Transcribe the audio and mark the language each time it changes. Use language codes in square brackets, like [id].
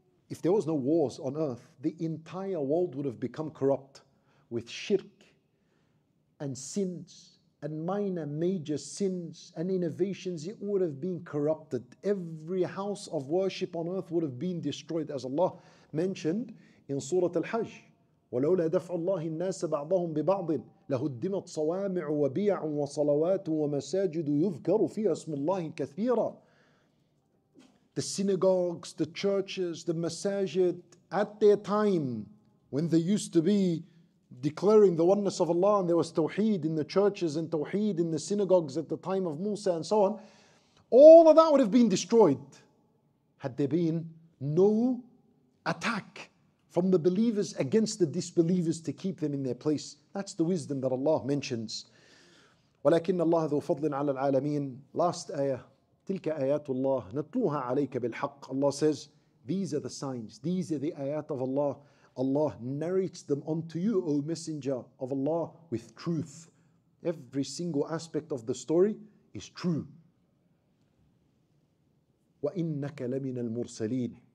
[en] If there was no wars on earth, the entire world would have become corrupt with shirk and sins and minor major sins and innovations. It would have been corrupted. Every house of worship on earth would have been destroyed, as Allah mentioned in Surah Al-Hajj. [ar] ولولا دفع الله الناس بعضهم ببعض لهدمت صوامع وبيع وصلوات ومساجد يذكر فيها اسم الله كثيرا. [en] The synagogues, the churches, the masajid, at their time when they used to be declaring the oneness of Allah, and there was tawheed in the churches and tawheed in the synagogues at the time of Musa and so on, all of that would have been destroyed had there been no attack from the believers against the disbelievers to keep them in their place. That's the wisdom that Allah mentions. [ar] وَلَكِنَّ اللَّهَ ذُو فَضْلٍ عَلَى الْعَالَمِينَ. [en] Last ayah, [ar] تِلْكَ آيَاتُ اللَّهِ نَتْلُوهَا عَلَيْكَ بِالْحَقِّ. [en] Allah says, these are the signs, these are the ayat of Allah. Allah narrates them unto you, O Messenger of Allah, with truth. Every single aspect of the story is true. [ar] وَإِنَّكَ لَمِنَ الْمُرْسَلِينَ.